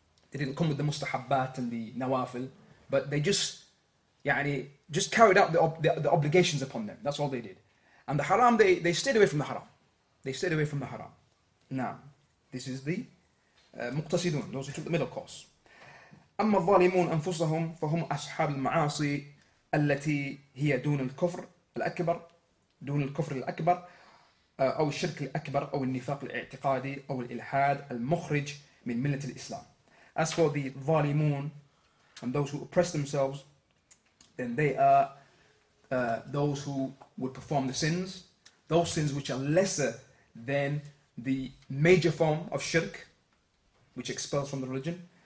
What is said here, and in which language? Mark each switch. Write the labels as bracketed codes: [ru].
[en] They didn't come with the mustahabbat and the nawafil, but they just carried out the obligations upon them. That's all they did. And the haram, they stayed away from the haram. They stayed away from the haram. Now, this is the muqtasidun, those who took the middle course. [ar] أما الظالمون أنفسهم فهم أصحاب المعاصي التي هي دون الكفر الأكبر دون الكفر الأكبر أو الشرك الأكبر أو النفاق الاعتقادي أو الإلحاد المخرج من ملة الإسلام. [en] As for the ظالمون and those who oppress themselves, then they are those who would perform the sins, those sins which are lesser than the major form of shirk, which expels from the religion.